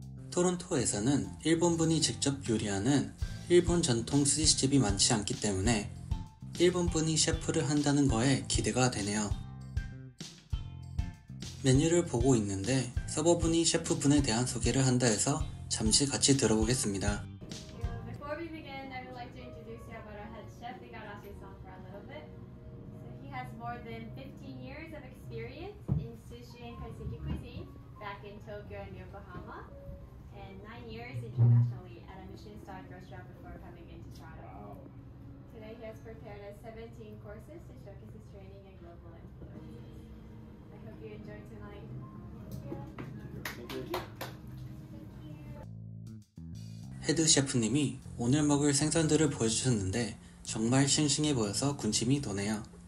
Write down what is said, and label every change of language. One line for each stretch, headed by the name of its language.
Korean: 토론토에서는 일본분이 직접 요리하는 일본 전통 스시집이 많지 않기 때문에 일본분이 셰프를 한다는 거에 기대가 되네요. 메뉴를 보고 있는데 서버분이 셰프분에 대한 소개를 한다 해서 잠시 같이 들어보겠습니다.
English: Before we begin, I would like to introduce you about our head chef, Igarashi-san, for a little bit. So he has more than 15 years of experience in sushi and kaiseki cuisine back in Tokyo and Yokohama, and 9 years internationally at a Michelin-starred restaurant before coming into Toronto. Wow. Today he has prepared us 17 courses to showcase his training and global influence. I hope you enjoy tonight. Thank you. Thank you.
Korean: 헤드 셰프님이 오늘 먹을 생선들을 보여주셨는데 정말 싱싱해 보여서 군침이 도네요.